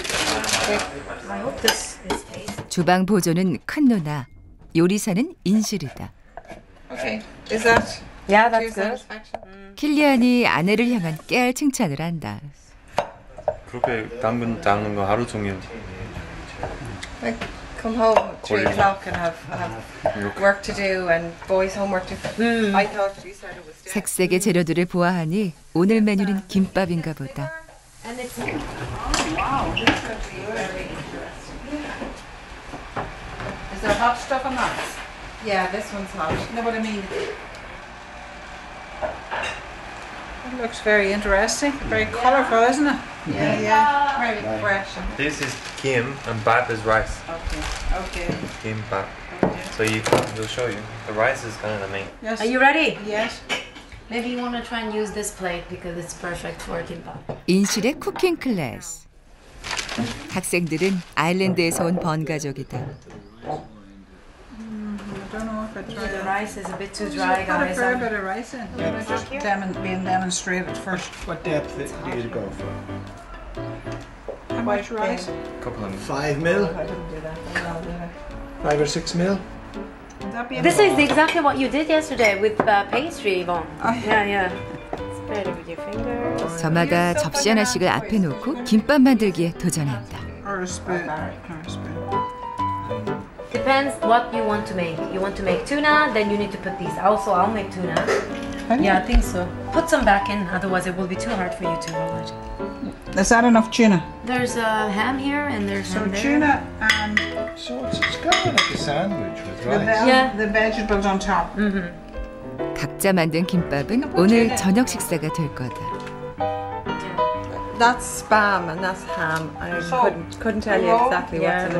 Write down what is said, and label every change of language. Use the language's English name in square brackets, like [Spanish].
[English] Type of cucumber. [Korean] 주방 보조는 큰 누나, 요리사는 인실이다. [English] Okay, is that? Yeah, that's good. [Korean] 킬리안이 아내를 향한 깨알 칭찬을 한다. 그렇게 당근 닦는 거 하루 종일. [English] Come home at 3 o'clock and have work to do and boys' homework to. I thought you said it was. [Korean] 색색의 재료들을 보아하니 오늘 메뉴는 김밥인가 보다. [English] And it's wow. This is going to be really interesting. Is there hot stuff on that? Yeah, this one's hot. You know what I mean? Oh, It looks very interesting. Very colorful, isn't it? Yeah. Fresh. This is kim and bap is rice. Okay. Kim, bap. Okay. So we'll show you. The rice is kind of the main. Yes. Are you ready? Yes. Maybe you want to try and use this plate because it's perfect for kimbap. [Korean] 인실의 쿠킹 클래스. 학생들은 아일랜드에서 온 번가족이다. [English] The rice is a bit too dry, guys. Put a fair bit of rice in. Yeah. Just being demonstrated first. What depth do you go for? How much rice? A couple of mil. 5 mil? No, 5 or 6 mil? This is exactly what you did yesterday with pastry, Yvonne. Spread it with your fingers. [Korean] 점화가 접시 하나씩을 앞에 놓고 김밥 만들기에 도전한다. [English] Or a spoon. Or a spoon. Depends what you want to make. You want to make tuna, then you need to put these. Also, I'll make tuna. Yeah, I think so. Put some back in, otherwise it will be too hard for you to roll it. Is that enough tuna? There's a ham here and there's some there. Tuna and... So it's kind of like a sandwich with rice. The vegetables on top. Mm-hmm. [Korean] 각자 만든 김밥은 오늘 저녁 식사가 될 거다. [English] That's spam and that's ham. I couldn't tell you exactly what's in it.